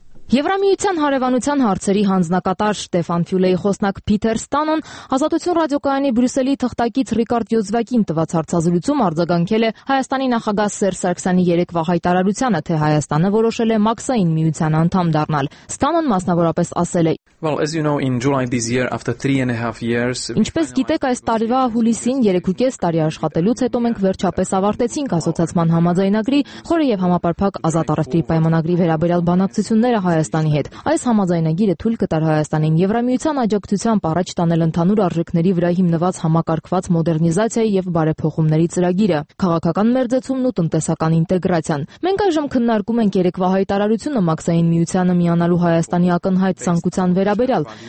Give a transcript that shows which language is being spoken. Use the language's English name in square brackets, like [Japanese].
[Armenian] Եվրամիության հարևանության հարցերի հանձնակատար Շտեֆան Ֆյուլեի խոսնակ Պիտեր Ստանոն Ազատություն ռադիոկայանի Բրյուսելի թղթակից Ռիկարդ Յոզվակին տված հարցազրույցում արձագանքել է Հայաստանի նախագահ Սերժ Սարգսյանի երեկվա հայտարարությանը, թե Հայաստանը որոշել է Մաքսային միության անդամ դառնալ։ Ստանոն մասնավորապես ասել է. [English] Well, as you know, in July this year, after 3.5 years, [Armenian] ինչպես գիտեք, այս տարվա հուլիսին 3.5 տարի աշխատելուց հետո մենք վերջապես ավարտեցինք ասոցիացիոն համաձայնագրի խորը և համապարփակ ազատ առևտրի պայմանագրի վերաբերյալ բանակցությունները Հայաստանի հետ։ Այս համաձայնագիրը թույլ կտար Հայաստանին Եվրամիության աջակցությամբ առաջ տանել ընդհանուր արժեքների վրա հիմնված համակարգված մոդեռնիզացիայի և բարեփոխումների ծրագիրը, քաղաքական մերձեցումն ու տնտեսական ինտեգրացիան։ Մենք այժմ քննարկում ենք երեկվա հայտարարությունը Մաքսային միությանը միանալու Հայաստանի ակնհայտ ցանկության վերաբերյալ։